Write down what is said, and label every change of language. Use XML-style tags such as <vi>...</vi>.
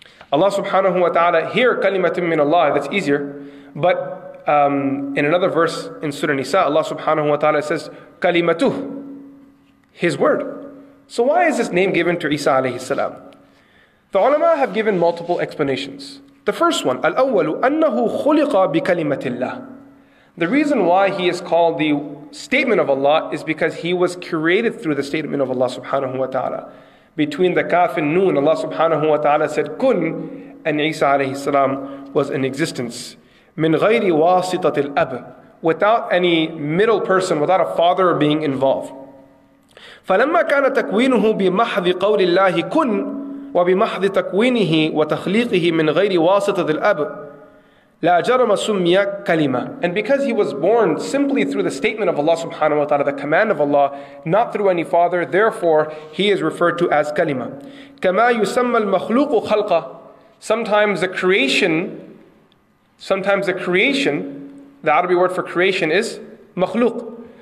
<en>Allah subhanahu wa ta'ala, here kalimatim min Allah, that's easier, but in another verse in Surah Nisa, Allah subhanahu wa ta'ala says, kalimatuh, his word. So why is this name given to Isa alayhi salam? The ulama have given multiple explanations. The first one,</en> <ar>الأول أنه خلق بكلمة الله.</ar> <en>The reason why he is called the statement of Allah is because he was created through the statement of Allah subhanahu wa ta'ala. Between the kaf and noon, Allah subhanahu wa ta'ala said kun, and Isa alayhi salam was in existence.</en> <ar>من غير واسطة الأب,</ar> <en>without any middle person, without a father being involved.</en> <ar>فلما كان تكوينه بمحض قول الله كن وبمحض تكوينه وتخليقه من غير واسطة الأب, لَا جَرَمَ سُمِّيَ كَلِمَةً.</ar> <en>And because he was born simply through the statement of Allah subhanahu wa ta'ala, the command of Allah, not through any father, therefore he is referred to as kalima.</en> <ar>كَمَا يُسَمَّ الْمَخْلُوقُ خَلْقًا.</ar> <en>Sometimes the creation, the Arabic word for creation is مخلوق.</en>